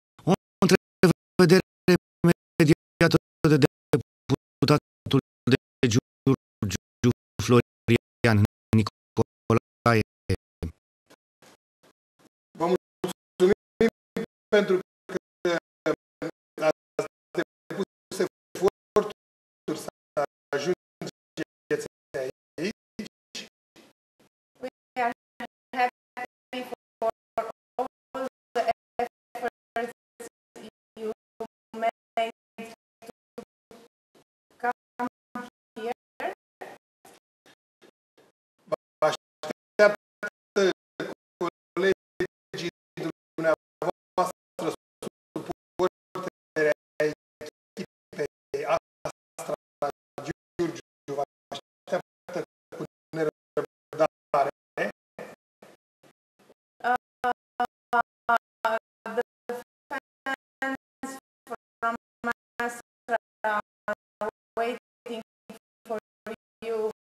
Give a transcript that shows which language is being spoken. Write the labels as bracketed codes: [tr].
[ro] O întrevedere mediată de deputatul de Giurgiu Florian Nicolae. Vă mulțumim pentru că ați depus eforturi să ajungeți aici. [en] We are happy for all the efforts you made to come here. [ro] Vă așteaptă colegii dumneavoastră suporterea echipei Astra Giurgiu, vă așteaptă cu nerăbdare. [en] The fans from Astra are waiting for you.